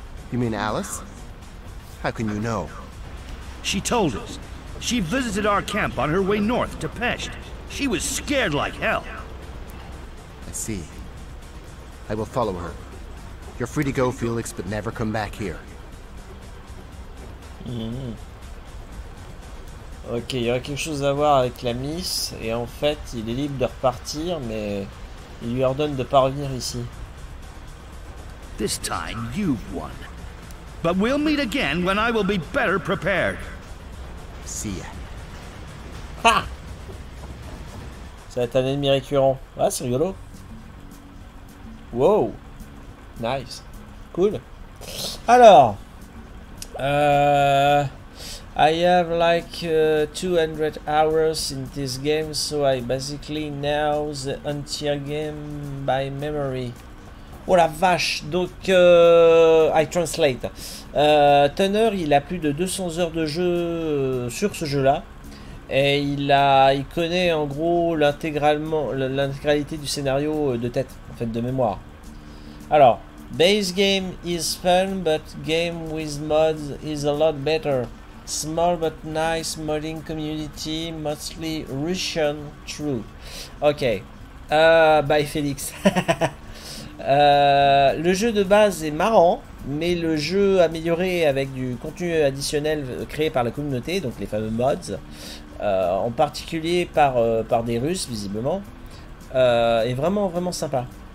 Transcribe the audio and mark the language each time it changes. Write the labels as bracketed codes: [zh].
[en] You mean Alice? How can you know? She told us. She visited our camp on her way north to Pest. She was scared like hell. I see. I will follow her. You're free to go, Felix, but never come back here. [fr] Ok, il y aura quelque chose à voir avec la Miss, et en fait, il est libre de repartir, mais il lui ordonne de ne pas revenir ici. [en] This time, you've won. But we'll meet again when I will be better prepared. See ya. [fr] Ha! Ça va être un ennemi récurrent. Ouais, c'est rigolo. [en] Wow! Nice. Cool. [fr] Alors. [en] I have like 200 hours in this game, so I basically know the entire game by memory. [fr] Oh la vache! Donc, [en] I translate. [fr] Tanner, il a plus de 200 heures de jeu sur ce jeu-là. Et il connaît en gros l'intégralité du scénario de tête, en fait, de mémoire. [en] Alors, base game is fun, but game with mods is a lot better. Small but nice modding community, mostly Russian, true. Ok, bye Félix. [fr] le jeu de base est marrant, mais le jeu amélioré avec du contenu additionnel créé par la communauté, donc les fameux mods, en particulier par des Russes visiblement, est vraiment vraiment sympa.